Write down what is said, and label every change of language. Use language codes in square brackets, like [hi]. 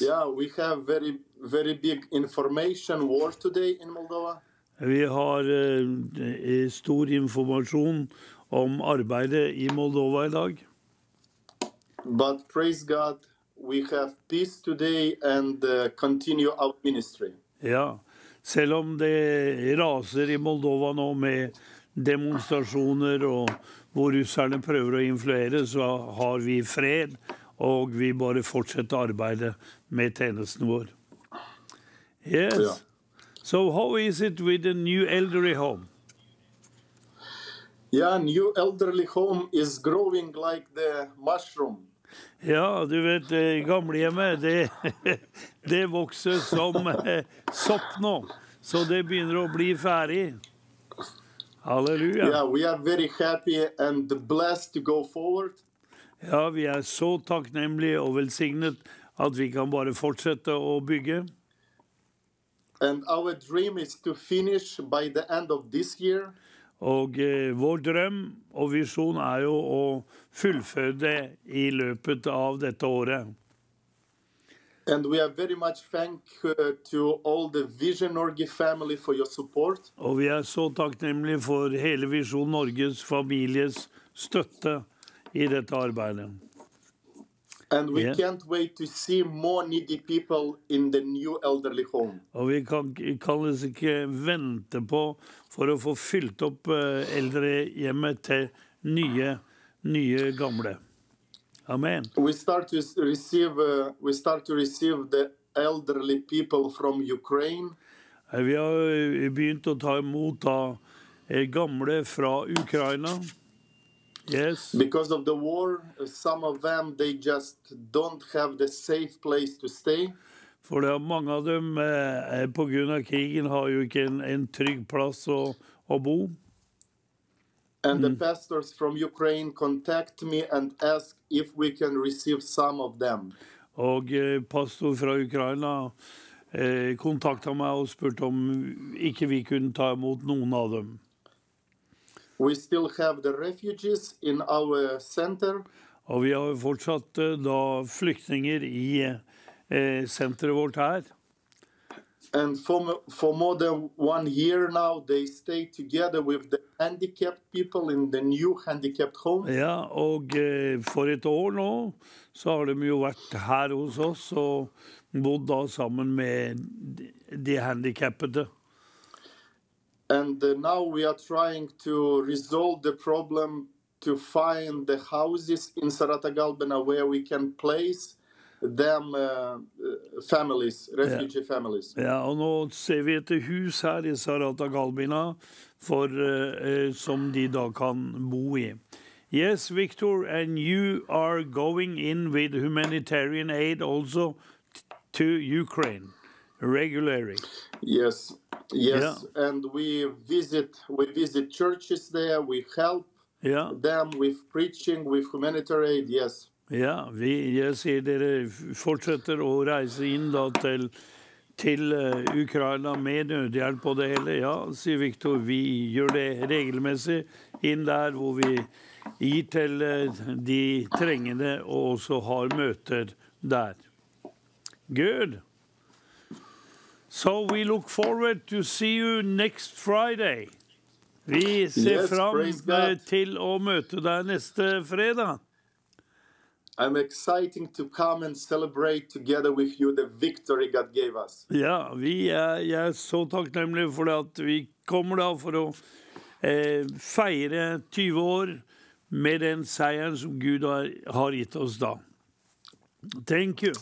[en] Yeah, we have very, very big information war today in Moldova. [no] Vi har stor informasjon om arbeidet i Moldova i dag. [en] But praise God, we have peace today and continue our ministry. [no] Ja, selv om det raser i Moldova nå med demonstrasjoner og hvor russerne prøver å influere, så har vi fred, og vi bare fortsetter arbeidet med tjenesten vår. [en] Yes. Ja. So how is it with the new elderly home? Yeah, new elderly home is growing like the mushroom. [no] Ja, du vet, gamlehjemmet, det vokser som sopp nå. Så det begynner å bli ferdig. Halleluja. [en] Yeah, we are very happy and blessed to go forward. [no] Ja, vi er så takknemlige og velsignet at vi kan bare fortsette å bygge. [en] And our dream is to finish by the end of this year. [no] Og vår drøm og visjon er jo å fullføre i løpet av dette året. [en] And we are very much thankful to all the Vision Norge family for your support. [no] Og vi er så takknemlige for hele Vision Norges families støtte i dette arbeidet. [en] And we can't wait to see more needy people in the new elderly home. [no] Og vi kan ikke vente på for å få fylt opp eldrehjemmet til nye gamle. Amen. [en] We start to receive the elderly people from Ukraine. [no] Vi har begynt å ta imot gamle fra Ukraina. [en] Yes. Because of the war, some of them, they just don't have the safe place to stay. [no] For det er mange av dem, på grunn av krigen, har jo ikke en trygg plass å bo. [en] And the pastors from Ukraine contact me and ask if we can receive some of them. [no] Og pastor fra Ukraina kontaktet meg og spurte om ikke vi kunne ta imot noen av dem. [en] We still have the refugees in our center. [no] Og vi har fortsatt da flyktninger i senteret vårt her. [en] And for more than 1 year now, they stay together with the handicapped people in the new handicapped home. [no] Ja, og for et år nå, så har de jo vært her hos oss og bodd da sammen med de handicappede. [en] And now we are trying to resolve the problem to find the houses in Saratagalbena where we can place them families, refugee yeah. families. [no] Ja, og nå ser vi etter hus her i Saratagalbena for som de da kan bo I. [en] Yes, Victor, and you are going in with humanitarian aid also to Ukraine regularly. Yes. Yes, yeah. And we visit churches there, we help yeah. them with preaching, with humanitarian aid, yes. [no] Ja, vi, jeg sier dere fortsetter å reise inn da til Ukraina med nødhjelp og det hele. Ja, sier Victor, vi gjør det regelmessig inn der hvor vi gir til de trengende og også har møter der. [en] Good. So we look forward to see you next Friday. [no] Vi ser [en] yes, [no] fram til å møte deg neste fredag. [en] I'm excited to come and celebrate together with you the victory God gave us. [no] Ja, vi jeg så takknemlig for at vi kommer da for å feire 20 år med den seieren som Gud har gitt oss da. [en] Thank you.